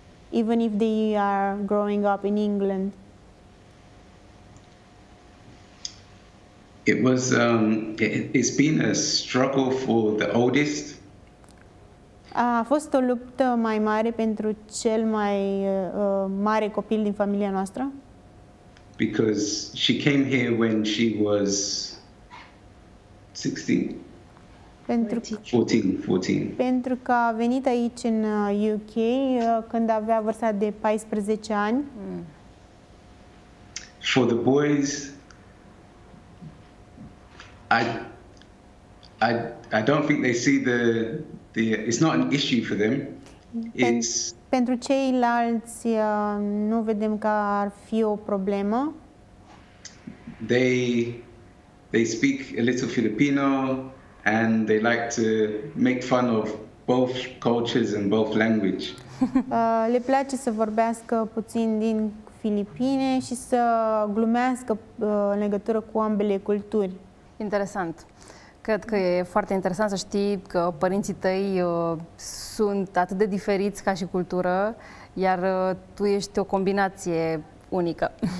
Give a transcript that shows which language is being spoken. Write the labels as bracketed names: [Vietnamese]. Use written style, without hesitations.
[English] Even if they are growing up in England? It was, it's been a struggle for the oldest. [Romanian] A fost o luptă mai mare pentru cel mai mare copil din familia noastră? [English] Because she came here when she was 16. [Romanian] Pentru că, [English] 14. [Romanian] Pentru că a venit aici în UK când avea vârsta de 14 ani. [English] For the boys, I don't think they see the it's not an issue for them. [Romanian] Pentru ceilalți nu vedem că ar fi o problemă. [English] They speak a little Filipino. And they like to make fun of both cultures and both language. [Romanian] Le place să vorbească puțin din Filipine și să glumească în legătură cu ambele culturi. Interesant. Cred că e foarte interesant să știi că părinții tăi sunt atât de diferiți ca și cultură, iar tu ești o combinație unică.